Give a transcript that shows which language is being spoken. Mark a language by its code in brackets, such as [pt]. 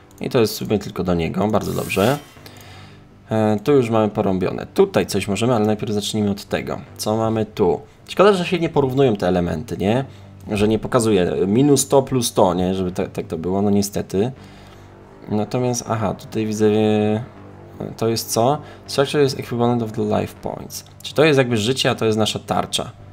[pl] I to jest w sumie tylko do niego, bardzo dobrze. Tu już mamy porąbione. Tutaj coś możemy, ale najpierw zacznijmy od tego. Co mamy tu? Szkoda, że się nie porównują te elementy, nie? Że nie pokazuje minus 100 plus 100, nie? Żeby tak to było, no niestety. Natomiast, aha, tutaj widzę... To jest co? [en] Structure is equivalent of the life points. [pl] Czyli to jest jakby życie, a to jest nasza tarcza.